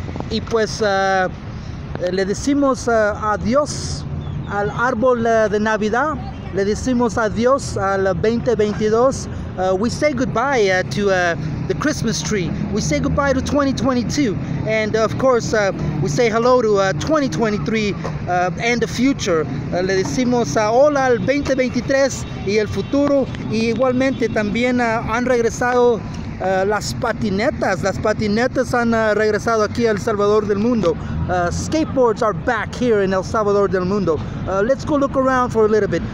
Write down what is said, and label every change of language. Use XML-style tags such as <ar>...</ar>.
<es>Y pues le decimos adiós al árbol de Navidad, le decimos adiós al 2022.</es> <en>We say goodbye to the Christmas tree, we say goodbye to 2022, and of course we say hello to 2023 and the future.</en> <es>Le decimos hola al 2023 y el futuro, y igualmente también han regresado las patinetas han regresado aquí a El Salvador del Mundo.</es> <en>Skateboards are back here in El Salvador del Mundo. Let's go look around for a little bit.</en>